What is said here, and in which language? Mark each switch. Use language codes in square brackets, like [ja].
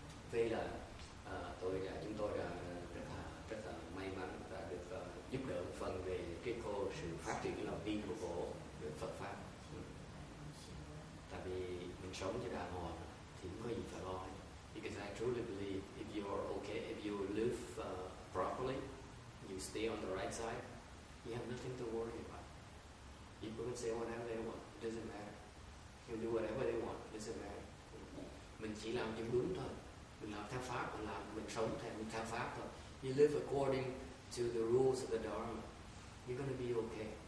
[vi] Vì là tôi đã, chúng tôi đã rất là may mắn đã được giúp đỡ một phần về cái cô sự phát triển lòng tin của cô về Phật pháp. Tại vì mình sống cho đàng hoàng thì không có gì phải lo. [en] Because I truly believe if you are okay, if you live properly, you stay on the right side, you have nothing to worry about. People can say whatever they want, it doesn't matter. You can do whatever they want, it doesn't matter. [vi] Mình chỉ làm cho đúng thôi. Mình làm theo pháp, mình làm, mình sống theo, mình theo pháp thôi. [en] You live according to the rules of the Dharma, you're gonna be okay.